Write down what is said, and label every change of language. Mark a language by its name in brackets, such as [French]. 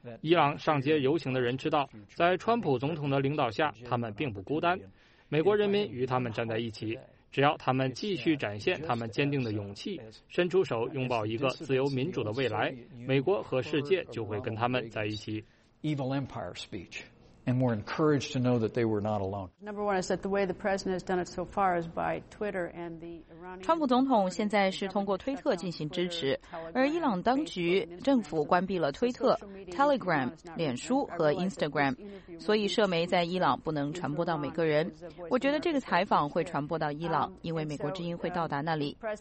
[Chinese] 伊朗上街游行的人知道，在川普总统的领导下，他们并不孤单，美国人民与他们站在一起。只要他们继续展现他们坚定的勇气，伸出手拥抱一个自由民主的未来，美国和世界就会跟他们在一起。 [English] Evil Empire speech. and were encouraged to know that they were not alone. Number one is that the way the president has done it so far is by Twitter and the Iranian. [Chinese] 川普总统现在是通过推特进行支持，而伊朗当局政府关闭了推特、Telegram、脸书和 Instagram， 所以社媒在伊朗不能传播到每个人。我觉得这个采访会传播到伊朗，因为美国之音会到达那里。